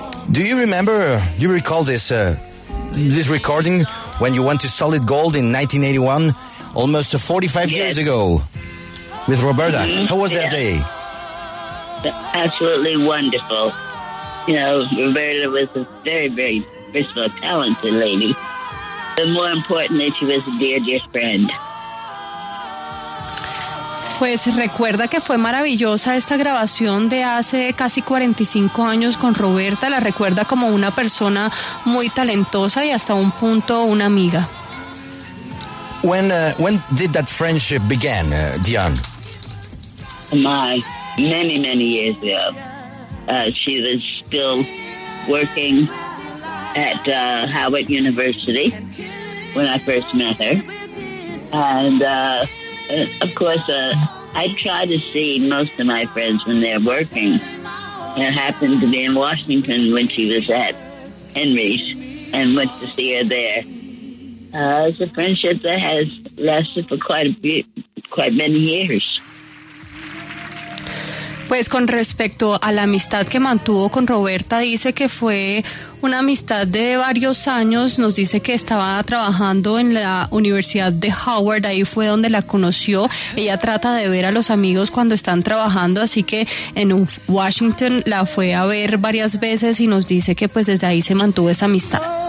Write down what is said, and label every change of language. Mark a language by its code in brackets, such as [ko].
[en] Do you remember, do you recall this recording when you went to Solid Gold in 1981, almost 45 years ago, with Roberta? Mm-hmm. How was that day? Absolutely wonderful. You know, Roberta was a very, very, first of all, talented lady. But more importantly, she was a dear, dear friend. [es] Pues recuerda que fue maravillosa esta grabación de hace casi 45 años con Roberta. La recuerda como una persona muy talentosa y hasta un punto una amiga. [en] When did that friendship begin, Dionne? My many, many years ago. She was still working at Howard University when I first met her. And of course, I try to see most of my friends when they're working. It happened to be in Washington when she was at Henry's and went to see her there. It's a friendship that has lasted for quite many years. [es] Pues con respecto a la amistad que mantuvo con Roberta, dice que fue una amistad de varios años. Nos dice que estaba trabajando en la Universidad de Howard, ahí fue donde la conoció. Ella trata de ver a los amigos cuando están trabajando, así que en Washington la fue a ver varias veces y nos dice que pues desde ahí se mantuvo esa amistad.